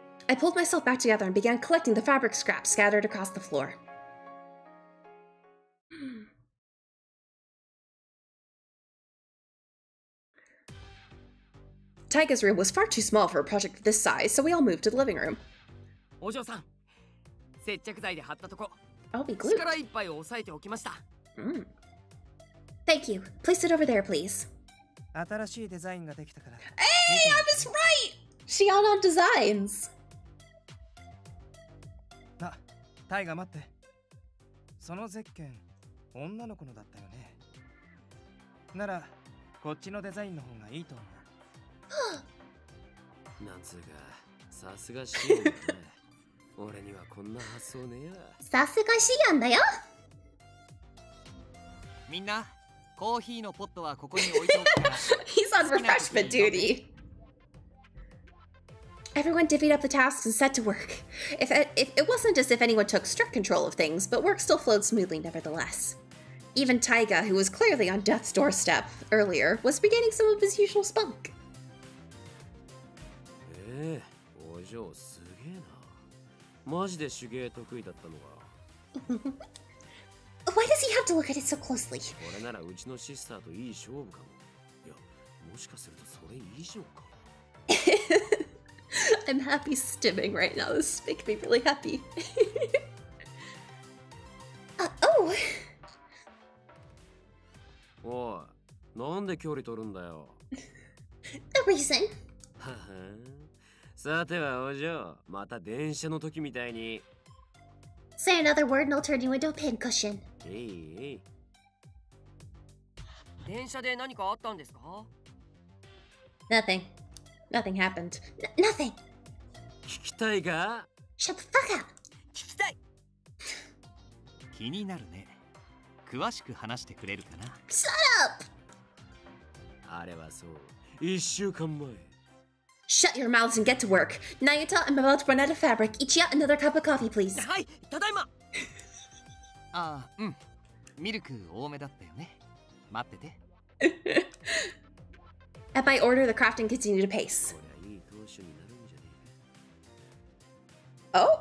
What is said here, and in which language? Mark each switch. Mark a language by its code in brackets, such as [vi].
[en] I pulled myself back together and began collecting the fabric scraps scattered across the floor. Taiga's room was far too small for a project of this size, so we all moved to the living room. [ja] お嬢さん、接着剤で貼ったとこ。 [en] I'll be glued. [ja] 力いっぱい押さえておきました。 [en] Thank you. Place it over there, please. [ja] 新しいデザインができたから。 [en] Hey, I was right! Shion on designs! [ja] タイガ待って。そのゼッケン、女の子のだったよね。なら、こっちのデザインの方がいいと思う。なんつうか、さすがシオンだね。俺にはこんな発想ねえや。さすがシオンだよ。みんな、コーヒーのポットはここに置いておくから。 [en] He's on refreshment duty. Everyone divvied up the tasks and set to work. If it wasn't as if anyone took strict control of things, but work still flowed smoothly nevertheless. Even Taiga, who was clearly on death's doorstep earlier, was regaining some of his usual spunk. [ja] Hey, Ojo, すげえな。マジで手芸得意だったのか。 [en] Why does he have to look at it so closely? [ja] これならうちのシスターといい勝負かも。いや、もしかするとそれ以上か。 [en] I'm happy stimming right now. This is making me really happy. [ja] おい、なんで距離取るんだよ。 [en] No reason. [ja] さてはお嬢、また電車の時みたいに。 [en] Say another word and I'll turn you into a pin cushion. Hey. [ja] 電車で何かあったんですか？ [en] Nothing. Nothing happened. Nothing. [ja] 聞きたいか？ [en] Shut the fuck up. [ja] 聞きたい。気になるね。詳しく話してくれるかな？ [en] Shut up. [ja] あれはそう。一週間前。 [en] Shut your mouths and get to work. Nayuta, I'm about to run out of fabric. Ichiya, another cup of coffee, please. [ja] はい、ただいま。あ、うん。ミルク多めだったよね。待ってて。 [en] At my order, the crafting continued to pace. [ja] これはいい投手になるんじゃねえか。